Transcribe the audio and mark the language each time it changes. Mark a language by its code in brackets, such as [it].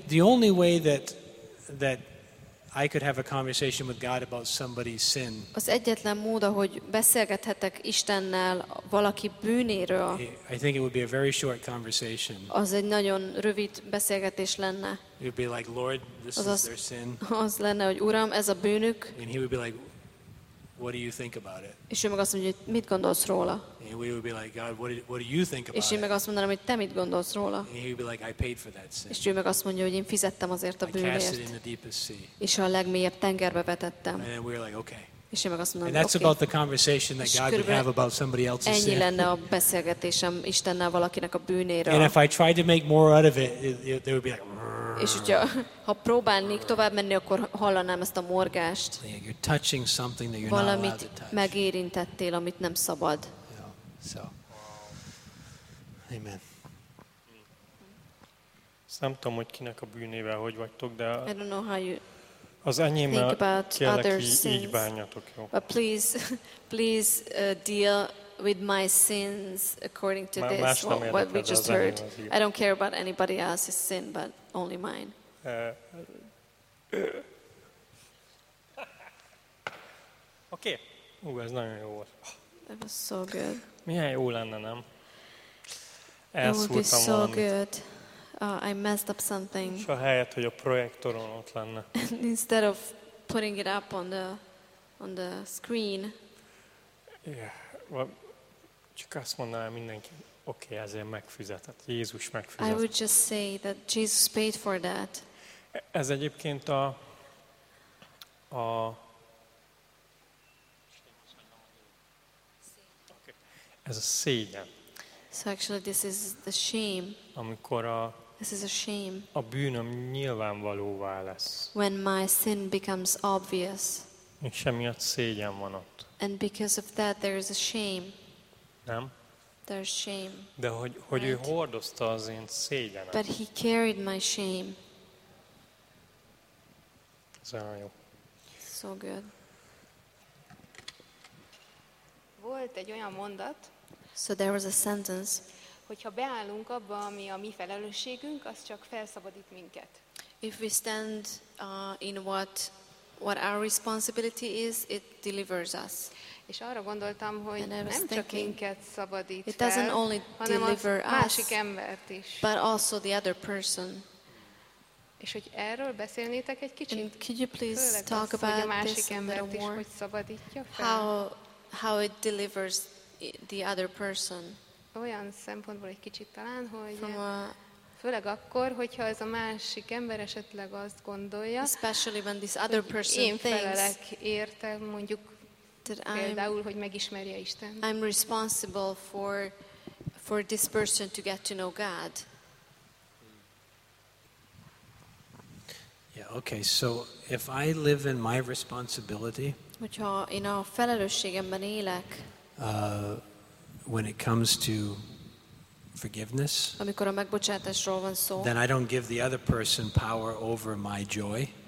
[en] The only way that I could have a conversation with God about somebody's sin. [hu] Az egyetlen mód, ahogy beszélgethetek Istennel valaki bűnéről. [en] I think it would be a very short conversation. [hu] Az egy nagyon rövid beszélgetés lenne. [en] It would be like, Lord, this is their sin. [hu] Az lenne, hogy Uram, ez a bűnük. [en] And he would be like, what do you think about it? [hu] És ő meg azt mondja, hogy mit gondolsz róla? [en] And we would be like, God, what do you think about [hu] it? És ő meg azt mondaná, hogy te mit gondolsz róla? [en] And he would be like, I paid for that sin. [hu] És ő meg azt mondja, hogy én fizettem azért a bűnért. [en] I cast it in the deepest sea. [hu] És a legmélyebb tengerbe vetettem. [en] And we're like, okay. [hu] És ő meg azt mondaná, [en] and that's about the conversation that God would have about somebody else's sin. [hu] Ennyi lenne a beszélgetésem Istennel valakinek a bűnéről. [en] And if I tried to make more out of it, they would be like. [hu] És hogyha ha próbálnék tovább menni, akkor hallanám ezt a morgást. [en] You're touching something that you're not allowed to touch. [hu] Valamit megérintettél, amit nem szabad. [en] So. Amen. [hu] Nem tudom, hogy kinek a bűnével hogy vagytok, de [en] I don't know how you [hu] az enyémmel kérlek, így bánjatok, jó? [en] But please deal with my sins according to this, what we just heard. I don't care about anybody else's sin, but only mine. [hu] Okay. Ugh, ez nagyon jó volt. [en] It was so good. [hu] Milyen jó lenne, nem? Elszúrtam valamit. [en] It would be so good. I messed up something. [hu] És a helyett, hogy a projektoron ott lenne. [en] Instead of putting it up on the screen. Yeah. [hu] Well, csak azt mondanám mindenki, okay, ezért megfizetett. Jézus megfizetett. [en] I would just say that Jesus paid for that. [hu] Ez egyébként a ez a szégyen. [en] So actually this is the shame. [hu] Amikor [en] this is a shame. [hu] A bűnöm nyilvánvalóvá lesz. [en] When my sin becomes obvious. [hu] És emiatt szégyen van ott. [en] And because of that there is a shame. [hu] Nem? [en] There's shame. [hu] De hogy right? Ő hordozta az én szégyenet. [en] But he carried my shame. [hu] Ez nagyon jó. [en] So good. [hu] Volt egy olyan mondat, [en] so there was a sentence, [hu] hogyha beállunk abba, ami a mi felelősségünk, az csak felszabadít minket. [en] If we stand in what our responsibility is, it delivers us. [hu] És arra gondoltam, hogy nem csak minket szabadít [en] it doesn't [hu] fel, [en] only deliver [hu] hanem az másik embert is. [en] But also the other person. [hu] És hogy erről beszélnétek egy kicsit? [en] And could you please talk about [hu] a másik [en] this [hu] embert [en] a little more? [hu] Is, hogy szabadítja fel? [en] How it delivers the other person. [hu] Olyan szempontból egy kicsit talán, hogy főleg akkor, hogyha ez a másik ember esetleg azt gondolja, [en] especially when this other person [hu] én felelek érte, mondjuk például, hogy megismerje Istent. [en] I'm responsible for this person to get to know God. Yeah, okay, so if I live in my responsibility, [hu] hogyha én a felelősségemben élek, [en] when it comes to forgiveness, [hu] amikor a megbocsátásról van szó, [en] then I don't give the other person power over my joy,